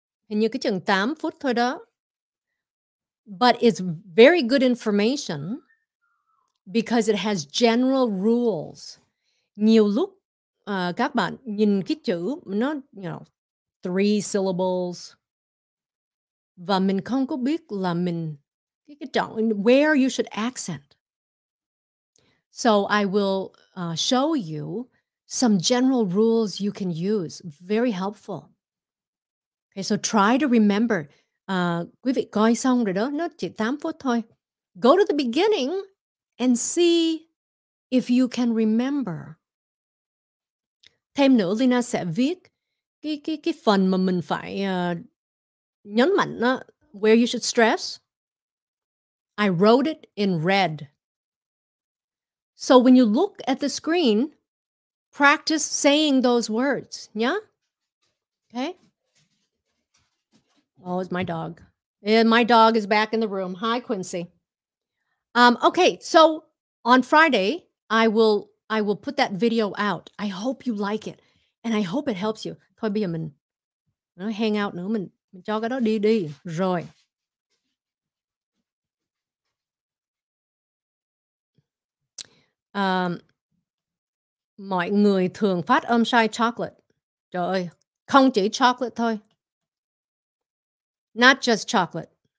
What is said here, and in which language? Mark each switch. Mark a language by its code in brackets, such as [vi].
[vi] Hình như cái chừng 8 phút thôi đó. [en] But it's very good information because it has general rules. [vi] Nhiều lúc các bạn nhìn cái chữ nó, [en] you know, three syllables. [vi] Và mình không có biết là mình cái trọng, [en] where you should accent. So I will show you some general rules you can use. Very helpful. Okay, so try to remember. [vi] Quý vị coi xong rồi đó. Nó chỉ 8 phút thôi. [en] Go to the beginning and see if you can remember. [vi] Thêm nữa, Lina sẽ viết cái phần mà mình phải nhấn mạnh đó, [en] where you should stress. I wrote it in red. So when you look at the screen, practice saying those words, yeah? Okay? Oh, it's my dog. And my dog is back in the room. Hi, Quincy. Okay, so on Friday, I will put that video out. I hope you like it, and I hope it helps you. [vi] Thôi bây giờ mình hang out nữa, mình cho cái đó đi đi. Rồi. Mọi người thường phát âm sai chocolate. Trời ơi, không chỉ chocolate thôi. [en] Not just chocolate.